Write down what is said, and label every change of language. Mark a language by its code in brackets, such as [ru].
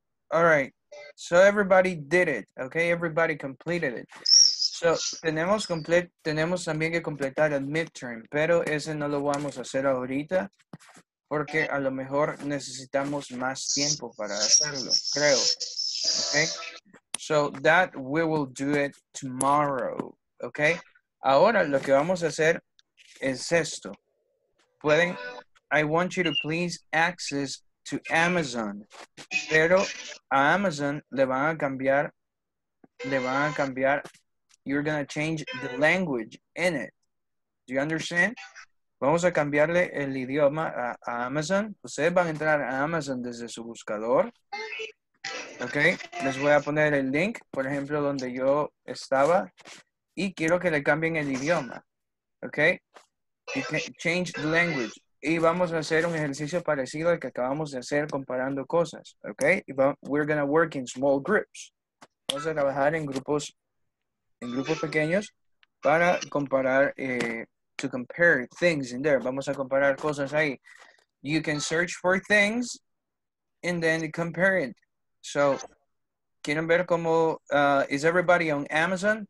[en] All right. So everybody did it, okay? Everybody completed it. [es] So tenemos también que completar el midterm, pero ese no lo vamos a hacer ahorita porque a lo mejor necesitamos más tiempo para hacerlo, creo. [en] Okay? So that we will do it tomorrow, okay? [es] Ahora lo que vamos a hacer es esto. Pueden... [en] I want you to please access to Amazon. Pero a Amazon le van a cambiar, you're gonna change the language in it. Do you understand? [es] Vamos a cambiarle el idioma a Amazon. Ustedes van a entrar a Amazon desde su buscador. Okay, les voy a poner el link, por ejemplo, donde yo estaba. Y quiero que le cambien el idioma. Okay, you can change the language. Y vamos a hacer un ejercicio parecido al que acabamos de hacer comparando cosas, okay? [en] We're gonna work in small groups. Vamos a trabajar en grupos pequeños para comparar, to compare things in there. [es] Vamos a comparar cosas ahí. [en] You can search for things and then compare it. So, ¿quieren ver cómo, is everybody on Amazon?